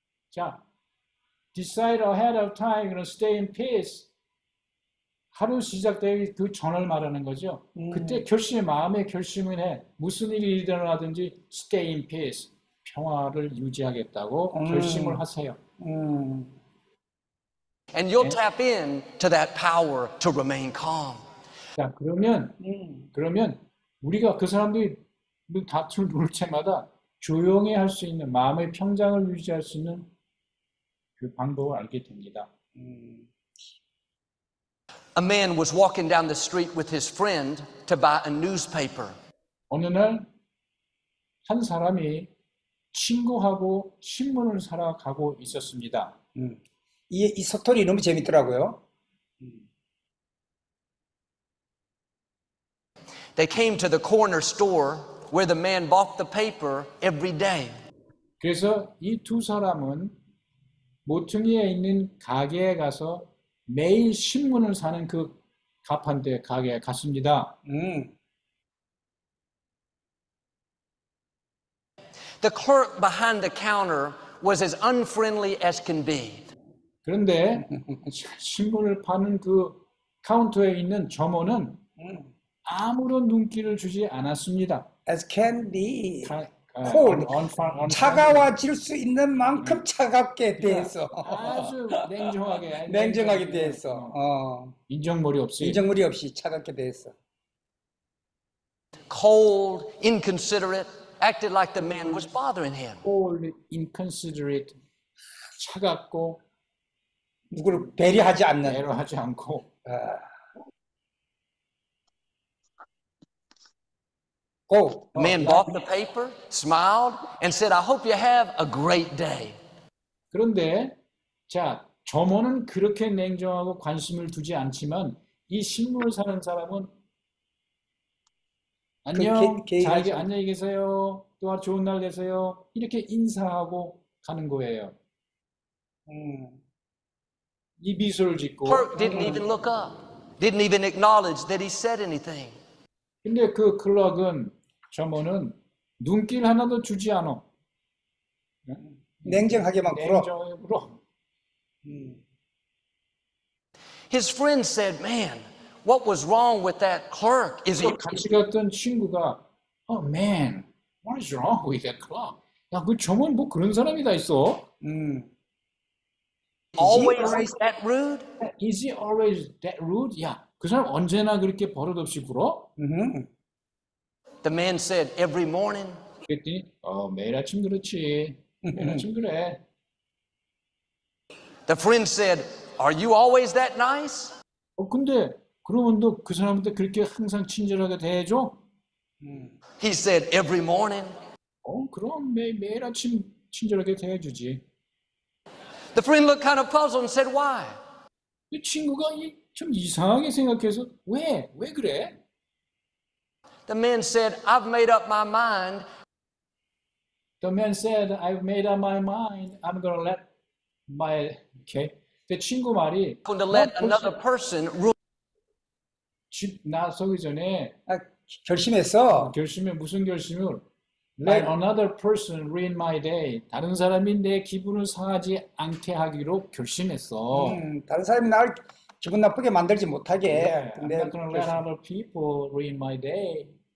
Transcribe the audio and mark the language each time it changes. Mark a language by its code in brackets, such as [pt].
[en] 자. Decide ahead of time, you're gonna stay in peace. [ko] 하루 시작되기 그 전을 말하는 거죠. 그때 결심, 마음의 결심을 해. 무슨 일이 일어나든지 [en] stay in peace. [ko] 평화를 유지하겠다고 결심을 하세요. [en] And you'll tap in to that power to remain calm. [ko] 자, 그러면 우리가 그 사람들이 닻을 누를 때마다 조용히 할수 있는 마음의 평장을 유지할 수 있는 그 방법을 알게 됩니다. [en] A man was walking down the street with his friend to buy a newspaper. [ko] 어느 날, 한 사람이 친구하고 신문을 사러 가고 있었습니다. 이 스토리 너무 재밌더라고요. [en] They came to the corner store where the man bought the paper every day. [ko] 그래서 이두 사람은 모퉁이에 있는 가게에 가서 매일 신문을 사는 그 가판대 가게에 갔습니다. [en] The clerk behind the counter was as unfriendly as can be. [ko] 그런데 신문을 파는 그 카운터에 있는 점원은 아무런 눈길을 주지 않았습니다. [en] As can be cold. Unfriendly. [ko] 차가워질 수 있는 만큼 차갑게 그러니까 대해서. 아주 냉정하게, 냉정하게 냉정하게, 대해서. 인정머리 없이. 인정머리 없이 차갑게 대해서. [en] Cold, inconsiderate, acted like the man was bothering him. Cold, inconsiderate, [ko] 차갑고 누구를 배려하지 않는. 배려하지 않고. 오, [en] Man bought the paper, smiled, and said, I hope you have a great day. [ko] 그런데, 자, 점원은 그렇게 냉정하고 관심을 두지 않지만, 이 신문을 사는 사람은, 안녕, 자기 게이하지 않아. 안녕히 계세요. 또 좋은 날 되세요. 이렇게 인사하고 가는 거예요. 이 미소를 짓고 [en] Perk didn't [ko] 가는 [en] even look up. Didn't even acknowledge that he said anything. [ko] 근데 그 클럭은, 점원은 눈길 하나도 주지 않아. 냉정하게만 굴어. 냉정으로. [en] His friend said, Man, what was wrong with that clerk? Is he? [ko] 같이 갔던 친구가, [en] Oh man, what is wrong with that clock? [ko] 야, 그 점원 뭐 그런 사람이 다 있어? [en] Always that rude? Is he always that rude? [ko] 야, 그 사람 언제나 그렇게 버릇없이 굴어? [en] The man said, every morning. [ko] 그랬더니 매일 아침 그렇지. 매일 아침 그래. [en] The friend said, "Are you always that nice?" [ko] 근데 그러면 너 그 사람한테 그렇게 항상 친절하게 대해줘? [en] He said, "Every morning." [ko] 그럼 매일 아침 친절하게 대해주지. [en] The friend looked kind of puzzled and said, "Why?" [ko] 이 친구가 좀 이상하게 생각해서 왜 그래? [en] The man said, "I've made up my mind." The man said, "I've made up my mind. I'm gonna let my okay." [ko] 내 친구 말이 [en] I'm going to let another person rule. [ko] 집 나서기 전에 결심했어. 결심해 무슨 결심을? [en] Let another person ruin my day. [ko] 다른 사람이 내 기분을 상하지 않게 하기로 결심했어. 다른 사람이 날 기분 나쁘게 만들지 못하게. [en] Yeah, I'm not gonna let other people ruin my day.